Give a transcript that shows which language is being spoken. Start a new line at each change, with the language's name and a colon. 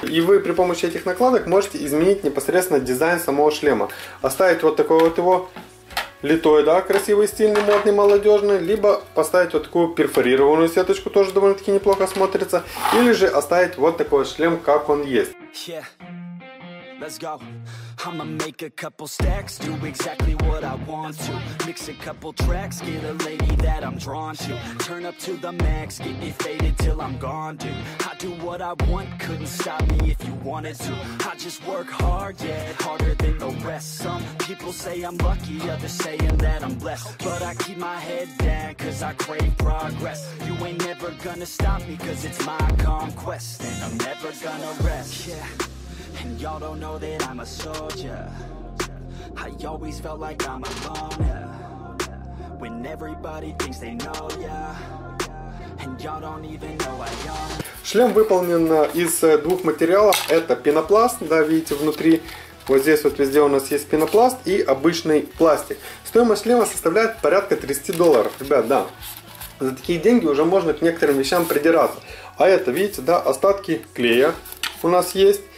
Russian: И вы при помощи этих накладок можете изменить непосредственно дизайн самого шлема. Оставить вот такой вот его литой, да, красивый, стильный, модный, молодежный, либо поставить вот такую перфорированную сеточку, тоже довольно-таки неплохо смотрится, или же оставить вот такой вот шлем, как он есть.
English: Let's go. I'ma make a couple stacks, do exactly what I want to. Mix a couple tracks, get a lady that I'm drawn to. Turn up to the max, get me faded till I'm gone, dude. I do what I want, couldn't stop me if you wanted to. I just work hard, yeah, harder than the rest. Some people say I'm lucky, others saying that I'm blessed. But I keep my head down, cause I crave progress. You ain't never gonna stop me, cause it's my conquest. And I'm never gonna rest, yeah. And y'all don't know that I'm a soldier. I always felt like I'm a loner. When everybody thinks they know ya. And y'all don't even know I own.
Russian: Шлем выполнен из двух материалов. Это пенопласт, да, видите, внутри. Вот здесь вот везде у нас есть пенопласт и обычный пластик. Стоимость шлема составляет порядка $30. Ребят, да. За такие деньги уже можно к некоторым вещам придираться. А это, видите, да, остатки клея у нас есть.